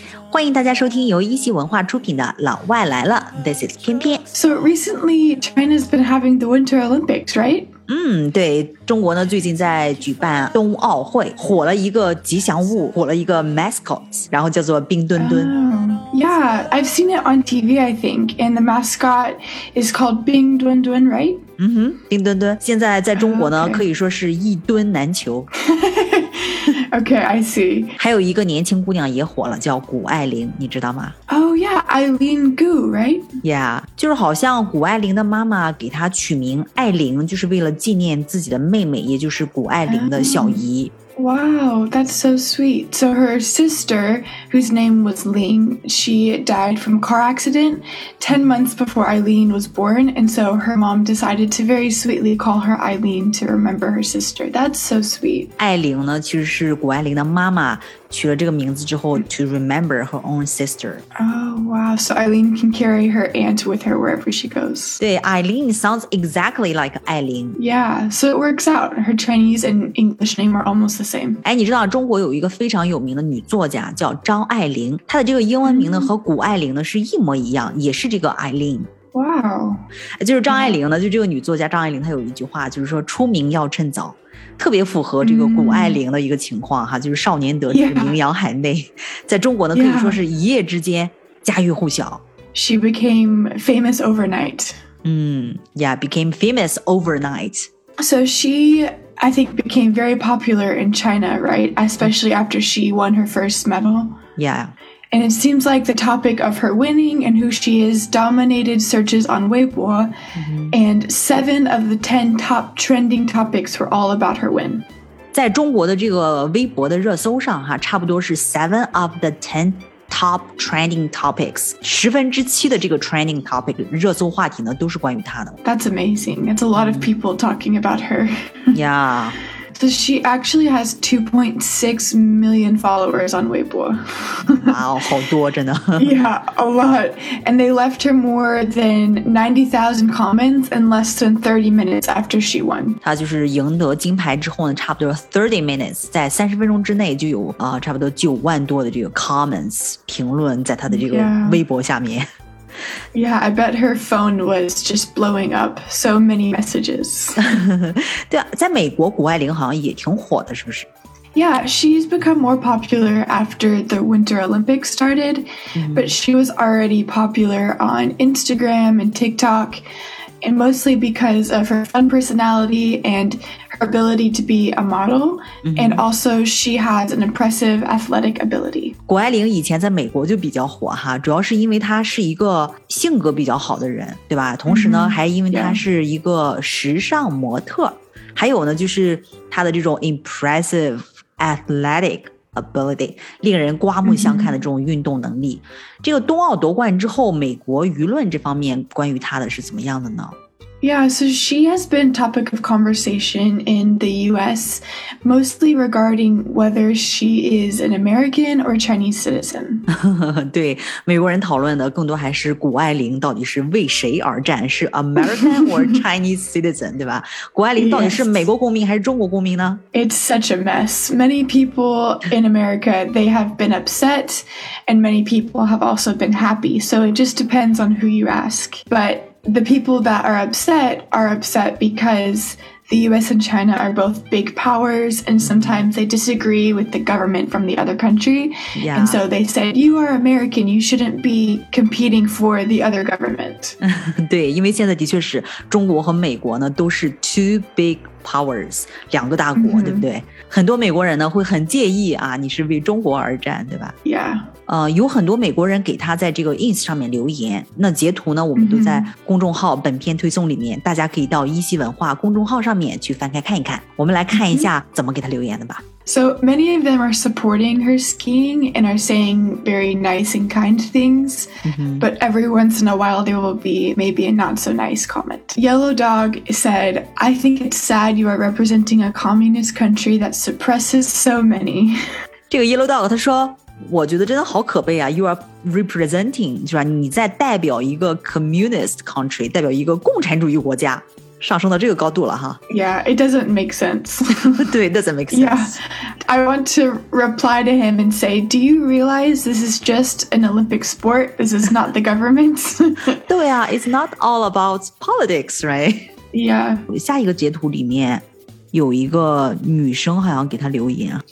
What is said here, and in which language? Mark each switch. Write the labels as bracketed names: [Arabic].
[Chinese] 欢迎大家收听由一席文化出品的《老外来了》。 [English] This is 翩翩。 So recently, China's been having the Winter Olympics, right? [Chinese] 对，中国呢最近在举办冬奥会，火了一个吉祥物，火了一个 mascot， 然后叫做冰墩墩。 [English] Yeah, I've seen it on TV, I think, and the mascot is called 冰墩墩, right? [Chinese] 冰墩墩，现在在中国呢、可以说是一墩难求。 [English] Okay, I see. [Chinese] 还有一个年轻姑娘也火了，叫谷爱凌，你知道吗？ [English] Oh yeah, Eileen Gu, right? [Chinese] Yeah, 就是好像谷爱凌的妈妈给她取名爱凌，就是为了纪念自己的妹妹，也就是谷爱凌的小姨。 [English] Wow, that's so sweet. So her sister, whose name was Ling, she died from a car accident 10 months before Eileen was born, and so her mom decided to very sweetly call her Eileen to remember her sister. That's so sweet. [Chinese] 艾琳呢，其实是谷爱凌的妈妈取了这个名字之后 [English] to remember her own sister. Oh, wow. So Eileen can carry her aunt with her wherever she goes. 对， Eileen sounds exactly like 艾琳。 Yeah, so it works out. Her Chinese and English name are almost the same. [Chinese] 哎，你知道中国有一个非常有名的女作家叫张爱玲，她的这个英文名呢、和古爱玲呢是一模一样，也是这个 Eileen。 [English] Wow. [Chinese] 就是张爱玲呢、就这个女作家张爱玲，她有一句话，就是说出名要趁早。特别符合这个古爱玲的一个情况哈，就是少年得志名扬海内，在中国呢可以说是一夜之间家喻户晓。 [English] She became famous overnight. Yeah, became famous overnight. So she, I think, became very popular in China, right? Especially after she won her first medal. Yeah. And it seems like the topic of her winning and who she is dominated searches on Weibo. And 7 of the 10 top trending topics were all about her win. [Chinese] 在中国的这个微博的热搜上哈，差不多是 [English] 7 of the 10 top trending topics， [Chinese] 7/10的这个 [English] trending topic [Chinese] 热搜话题呢，都是关于她的。 [English] That's amazing. It's a lot of people talking about her. Yeah. So she actually has 2.6 million followers on Weibo. [Chinese] Wow, 好多真的。 [English] Yeah, a lot. And they left her more than 90,000 comments in less than 30 minutes after she won. [Chinese] 她就是赢得金牌之后呢，差不多 [English] 30 minutes, [Chinese] 在30分钟之内就有、差不多9万多的这个 comments 评论在她的这个微博下面。 [English] Yeah. Yeah, I bet her phone was just blowing up. So many messages. [Chinese] 对啊，在美国谷爱凌好像也挺火的，是不是？ [English] Yeah, she's become more popular after the Winter Olympics started, but she was already popular on Instagram and TikTok, and mostly because of her fun personality and her ability to be a model, and also she has an impressive athletic ability. [Chinese] 谷爱凌以前在美国就比较火哈，主要是因为她是一个性格比较好的人，对吧？同时呢，还因为她是一个时尚模特，还有呢，就是她的这种 [English] impressive athletic ability， [Chinese] 令人刮目相看的这种运动能力。这个冬奥夺冠之后，美国舆论这方面关于她的是怎么样的呢？ [English] Yeah, so she has been topic of conversation in the U.S., mostly regarding whether she is an American or Chinese citizen. [Chinese] 对，美国人讨论的更多还是谷爱凌到底是为谁而战，是 [English] American or Chinese citizen, [Chinese] 对吧？谷爱凌到底是美国公民还是中国公民呢？ [English] It's such a mess. Many people in America, they have been upset, and many people have also been happy. So it just depends on who you ask. But... The people that are upset because the US and China are both big powers and sometimes they disagree with the government from the other country. Yeah. And so they said, you are American, you shouldn't be competing for the other government. [Chinese] 对，因为现在的确是中国和美国呢都是 [English] two big powers, [Chinese] 两个大国、对不对？很多美国人呢会很介意啊，你是为中国而战，对吧？ [English] Yeah. [Chinese] 有很多美国人给他在这个 ins 上面留言，那截图呢我们都在公众号本片推送里面、大家可以到一席文化公众号上面去翻开看一看，我们来看一下怎么给他留言的吧。 [English] So many of them are supporting her skiing and are saying very nice and kind things, but every once in a while there will be maybe a not so nice comment. Yellow Dog said, I think it's sad you are representing a communist country that suppresses so many. [Chinese] 这个 Yellow Dog 他说我觉得真的好可悲啊 , [English] you are representing, [Chinese] 是吧你在代表一个 [English] communist country, [Chinese] 代表一个共产主义国家上升到这个高度了哈。 [English] Yeah, it doesn't make sense. 对 ,doesn't make sense. Yeah, I want to reply to him and say, do you realize this is just an Olympic sport? This is not the government. [Chinese] 对啊 [English] it's not all about politics, right? Yeah. [Chinese] 下一个截图里面有一个女生好像给他留言。